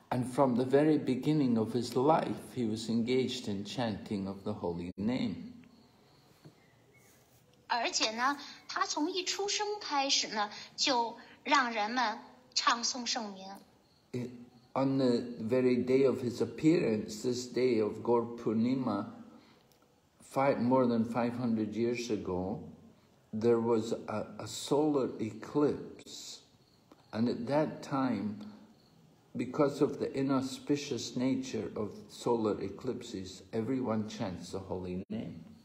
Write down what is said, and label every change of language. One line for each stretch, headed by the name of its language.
English: And from the very beginning of his life, he was engaged in chanting of the holy name.
Chinese: 而且呢，他从一出生开始呢，就让人们唱颂圣名。
English: On the very day of his appearance, this day of Gaur Purnima, more than 500 years ago, there was a solar eclipse, and at that time,Because of the inauspicious nature of solar eclipses, everyone chants the holy name.